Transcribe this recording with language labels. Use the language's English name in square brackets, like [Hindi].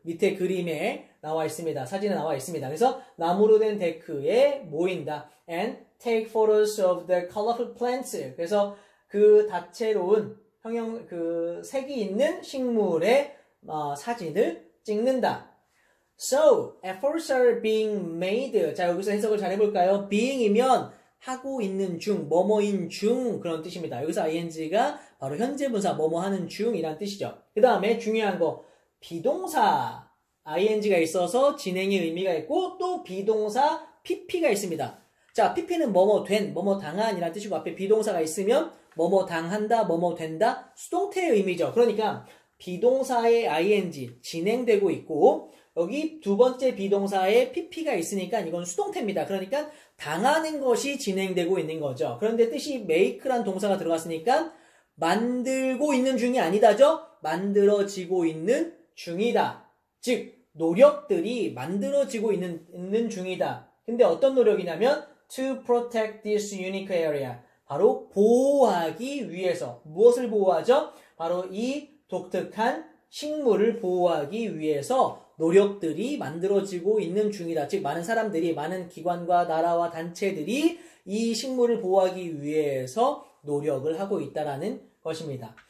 [Korean] 밑에 그림에 나와 있습니다. 사진에 나와 있습니다. 그래서 나무로 된 데크에 모인다. [English] And take photos of the colorful plants. [Korean] 그래서 그 다채로운 형형 그 색이 있는 식물의 사진을 찍는다. [English] So efforts are being made. [Korean] 자, 여기서 해석을 잘 해볼까요? Being이면 하고 있는 중, 뭐뭐인 중 그런 뜻입니다. 여기서 ing가 바로 현재 분사 뭐뭐 하는 중이란 뜻이죠. 그 다음에 중요한 거 비동사 ing가 있어서 진행의 의미가 있고 또 비동사 pp가 있습니다. 자, PP는 뭐뭐 된, 뭐뭐 당한이라는 뜻이고 앞에 비동사가 있으면 뭐뭐 당한다, 뭐뭐 된다, 수동태의 의미죠. 그러니까 비동사의 ing 진행되고 있고 여기 두 번째 비동사에 PP가 있으니까 이건 수동태입니다. 그러니까 당하는 것이 진행되고 있는 거죠. 그런데 뜻이 make란 동사가 들어갔으니까 만들고 있는 중이 아니다죠? 만들어지고 있는 중이다. 즉, 노력들이 만들어지고 있는 중이다. 근데 어떤 노력이냐면 [English] To protect this unique area. [Korean] 바로 보호하기 위해서. 무엇을 보호하죠? 바로 이 독특한 식물을 보호하기 위해서 노력들이 만들어지고 있는 중이다. 즉, 많은 사람들이, 많은 기관과 나라와 단체들이 이 식물을 보호하기 위해서 노력을 하고 있다라는 것입니다.